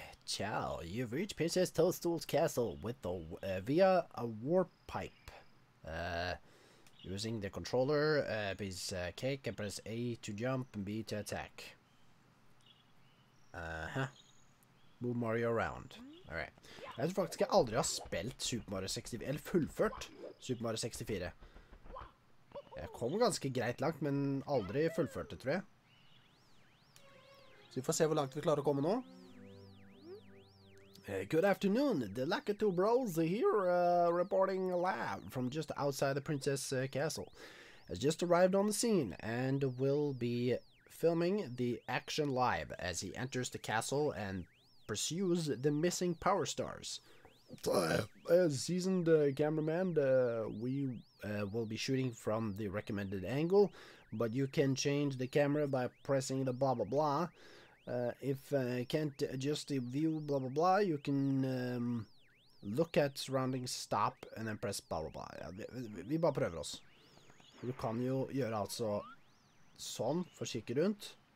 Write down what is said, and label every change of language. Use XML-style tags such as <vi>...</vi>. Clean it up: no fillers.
<en>Ciao, you've reached Princess Toadstool's castle with the, via a warp pipe. Using the controller, piece cake, and press A to jump, and B to attack. Move Mario around. Alright.</en> <no>Jeg tror faktisk jeg aldri har spilt Super Mario 64, eller fullført Super Mario 64. Jeg kom ganske greit langt, men aldri fullført det, tror jeg. Vi får se hvor langt vi klarer å komme nå.</no> <en>Good afternoon, the Lakitu bros here reporting live from just outside the princess castle. Has just arrived on the scene and will be filming the action live as he enters the castle and pursues the missing power stars. As seasoned cameraman, we will be shooting from the recommended angle, but you can change the camera by pressing the blah blah blah. If you can't adjust the view, blah, blah, blah, you can look at surroundings, stop, and then press blah, blah, blah.</en> <no>Ja, vi bare prøver oss. Du kan jo gjøre altså sånn for å kikke rundt.</no>